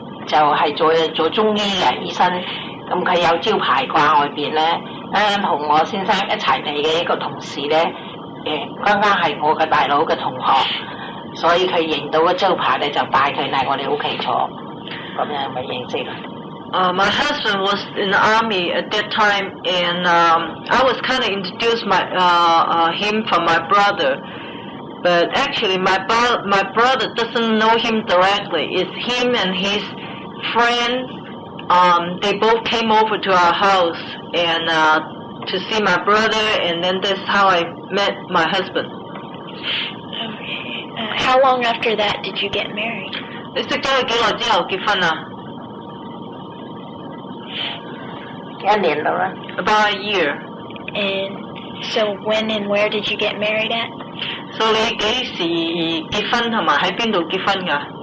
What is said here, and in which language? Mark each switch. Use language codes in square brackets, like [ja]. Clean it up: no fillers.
[yue] 就是 做中醫的醫生，他有招牌掛外面呢，剛剛跟我先生一齊來的一個同事呢，剛剛是我的大佬的同學，所以他認到的招牌呢，就帶他來我們家坐，這樣就認識了。 [en] My husband was in the army at that time, and I was kind of introduced him from my brother. But actually, my brother doesn't know him directly. It's him and his friend. They both came over to our house and to see my brother, and then that's how I met my husband. Okay. How long after that did you get married? [yue] 你識咗佢幾耐之後結婚啊？一年到啦。 [en] About a year. And so, when and where did you get married at? [yue] 所以你幾時結婚同埋喺邊度結婚㗎？